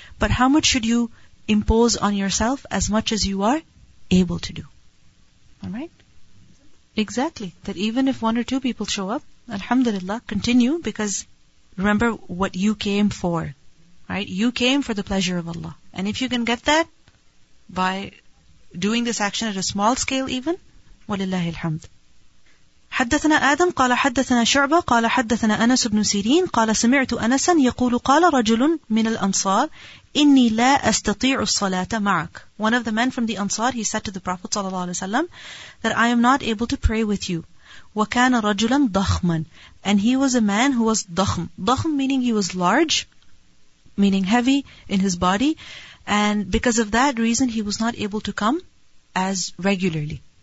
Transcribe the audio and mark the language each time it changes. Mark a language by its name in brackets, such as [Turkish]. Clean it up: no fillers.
[English] But how much should you impose on yourself? As much as you are able to do. Alright? Exactly. That even if one or two people show up, alhamdulillah, continue, because remember what you came for. Right? You came for the pleasure of Allah. And if you can get that by doing this action at a small scale even, walillahi alhamd. [Arabic] حدثنا آدم قال حدثنا شعبة قال حدثنا أنس بن سيرين قال سمعت أنسا يقول قال رجل من الأنصار إني لا أستطيع الصلاة معك. [English] One of the men from the Ansar, he said to the Prophet [Arabic] صلى الله عليه وسلم [English] that I am not able to pray with you. [Arabic] وكان رجلا ضخما. [English] And he was a man who was ضخم. ضخم meaning he was large, meaning heavy in his body. And because of that reason, he was not able to come as regularly.